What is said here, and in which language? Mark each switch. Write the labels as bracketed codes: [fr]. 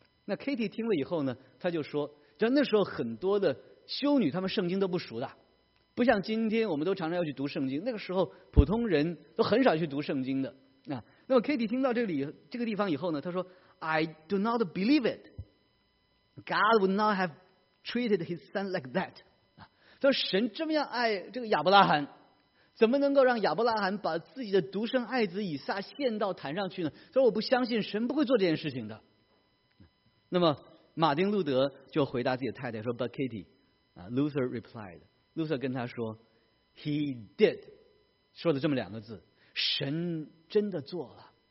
[zh] 那 Katie 听了以后呢，他就说，就那时候很多的修女他们圣经都不熟的，不像今天我们都常常要去读圣经，那个时候普通人都很少去读圣经的那么 Katie 听到这个地方以后呢，他说 [en] I do not believe it. God would not have treated his son like that. [zh] 他说神这么样爱这个亚伯拉罕，怎么能够让亚伯拉罕把自己的独生爱子以撒献到坛上去呢？他说我不相信神不会做这件事情的。那么马丁路德就回答自己的太太说 [en] But Katie, Luther replied, [zh] 路德跟他说 [en] He did, [zh] 说了这么两个字，神真的做了。